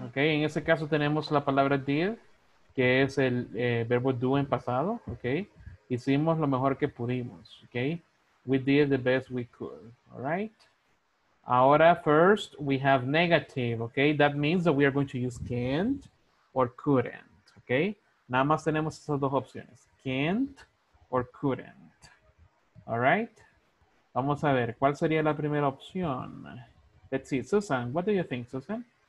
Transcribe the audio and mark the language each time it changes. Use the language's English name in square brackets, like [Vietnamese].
[Spanish] Okay, en ese caso tenemos la palabra did, que es el verbo do en pasado. Okay, Hicimos lo mejor que pudimos, okay? [English] We did the best we could, all right? Ahora, first, we have negative, okay? That means that we are going to use can't or couldn't, okay? [Spanish] Nada más tenemos esas dos opciones, can't or couldn't, all right? Vamos a ver, ¿cuál sería la primera opción? [English] Let's see, Susan, what do you think, Susan?